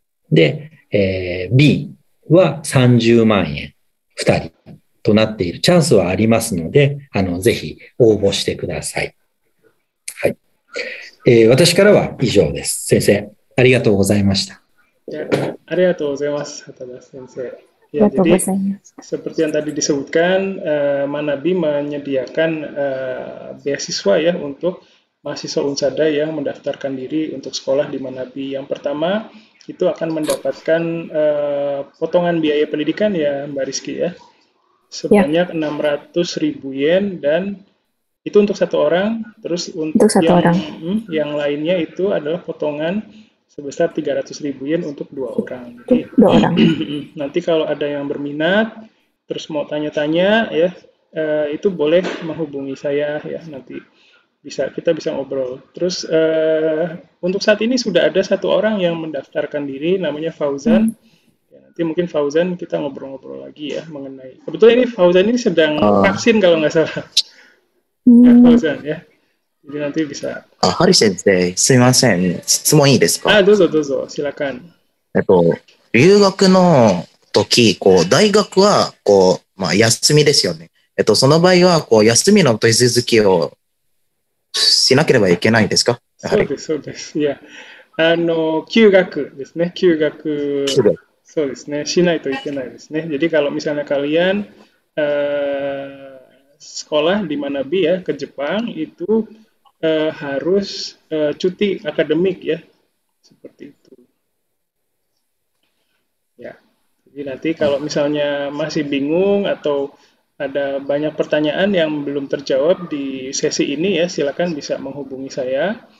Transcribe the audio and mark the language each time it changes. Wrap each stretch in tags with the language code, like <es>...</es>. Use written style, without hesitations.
<ja>で、B は30万円2人となっているチャンスはありますので、ぜひ応募してください。はい。私からは以上です。先生、ありがとうございました。ありがとうございます、Atanas先生。</ja> <id>Ya, jadi seperti yang tadi disebutkan, Manabi menyediakan beasiswa ya untuk mahasiswa Unsada yang mendaftarkan diri untuk sekolah di Manabi. Yang pertama itu akan mendapatkan potongan biaya pendidikan ya, Mbak Rizky ya, sebanyak 600 ribu yen, dan itu untuk satu orang. Terus untuk satu yang orang. Yang lainnya itu adalah potongan sebesar 300 ribu yen untuk dua orang. Jadi, nanti kalau ada yang berminat, terus mau tanya-tanya, ya itu boleh menghubungi saya ya, nanti bisa kita bisa ngobrol. Terus untuk saat ini sudah ada satu orang yang mendaftarkan diri, namanya Fauzan. Ya, nanti mungkin Fauzan kita ngobrol-ngobrol lagi ya mengenai. Kebetulan ini Fauzan ini sedang vaksin kalau nggak salah. Ya, Fauzan ya.</id> <ja>あ、ハリ先生、すいません。質問いいですか？あ、どうぞどうぞ、しらかん。留学の時、こう、大学は、こう、まあ、休みですよね。その場合は、こう、休みの手続きをしなければいけないですか？やはり。そうです、そうです。いや、休学ですね。休学。休学。そうですね。しないといけないですね。</ja> <id>jadi kalau misalnya kalian、sekolah di Manabi ya ke Jepang itu harus cuti akademik ya, seperti itu ya. Jadi nanti kalau misalnya masih bingung atau ada banyak pertanyaan yang belum terjawab di sesi ini ya, silakan bisa menghubungi saya.</id>